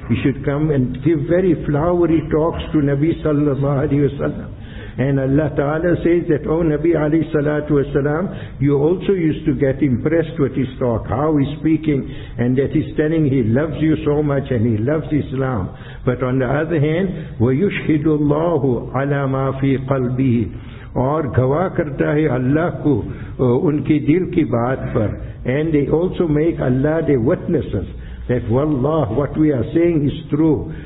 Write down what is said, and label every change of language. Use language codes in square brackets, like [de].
[en] He should come and give very flowery talks to Nabi sallallahu alayhi wa sallam. And Allah Ta'ala says that, O Nabi alayhi salatu wa sallam, you also used to get impressed with his talk, how he's speaking, and that he's telling he loves you so much and he loves Islam. But on the other hand, [ar] وَيُشْهِدُ اللَّهُ عَلَى مَا فِي قَلْبِهِ [ur] اور گواہ کرتا ہے اللہ کو ان کی دل کی بات پر. [en] And they also make Allah the witnesses that wallah, what we are saying is true.